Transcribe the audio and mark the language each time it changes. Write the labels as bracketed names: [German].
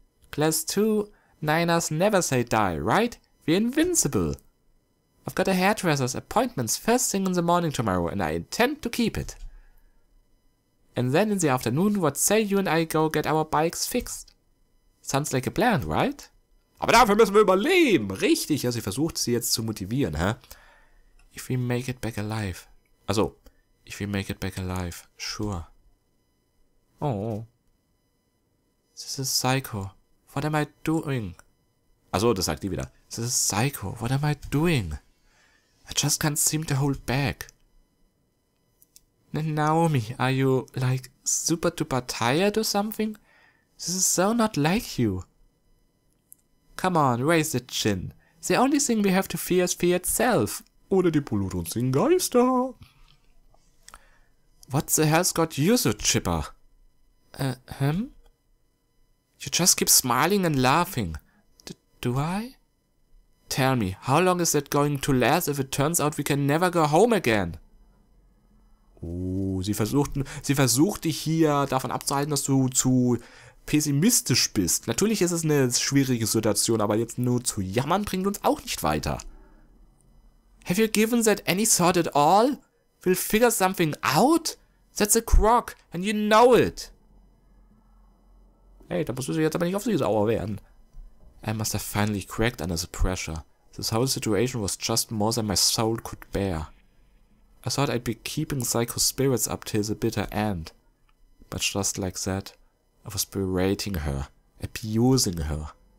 [English] Class 2, Niners never say die, right? We're invincible. I've got a hairdresser's appointments first thing in the morning tomorrow, and I intend to keep it. And then in the afternoon, what say you and I go get our bikes fixed? Sounds like a plan, right? [German] Aber dafür müssen wir überleben. Richtig, ja, sie versucht sie jetzt zu motivieren, hä? [English] If we make it back alive. [German] Also, [English] if we make it back alive, sure. Oh. This is psycho. What am I doing? [German] Achso, das sagt die wieder. [English] This is psycho. What am I doing? I just can't seem to hold back. Naomi, are you, like, super duper tired or something? This is so not like you. Come on, raise the chin. The only thing we have to fear is fear itself. [German] Oder die blutrünstigen Geister. [English] What the hell's got you so chipper? You just keep smiling and laughing. Do I? Tell me, how long is that going to last if it turns out we can never go home again? [German] Sie versuchte hier davon abzuhalten, dass du zu pessimistisch bist. Natürlich ist es eine schwierige Situation, aber jetzt nur zu jammern bringt uns auch nicht weiter. [English] Have you given that any thought at all? We'll figure something out? That's a crock, and you know it. [German] Hey, da musst du jetzt aber nicht auf sie sauer werden. [English] I must have finally cracked under the pressure. This whole situation was just more than my soul could bear. I thought I'd be keeping psycho spirits up till the bitter end. But just like that, I was berating her, abusing her.